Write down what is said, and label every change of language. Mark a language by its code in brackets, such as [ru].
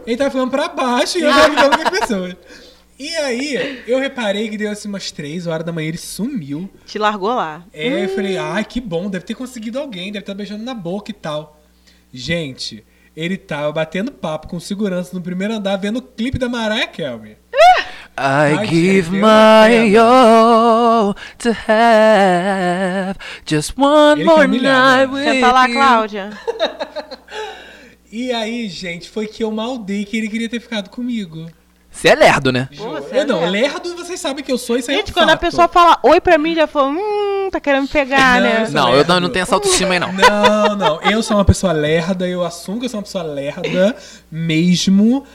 [pt] Ele tava ficando pra baixo e eu tava ficando com as pessoas. E aí, eu reparei que deu assim umas 3 horas da manhã, ele sumiu. Te largou lá. É, eu falei, ai, que bom, deve ter conseguido alguém, deve estar beijando na boca e tal. Gente. Ele tava batendo papo com segurança no primeiro andar, vendo o clipe da Mariah Carey. [en] I give my all to have just one more night with you. [pt] Quer falar, Cláudia? E aí, gente, foi que eu maldei que ele queria ter ficado comigo. Você é lerdo, né? Eu não, lerdo vocês sabem que eu sou, isso aí é um fato. Gente, quando a pessoa fala oi pra mim, já fala, tá querendo me pegar, né? Não, eu não tenho essa autoestima aí, não. Não, eu sou uma pessoa lerda, eu assumo que eu sou uma pessoa lerda, mesmo.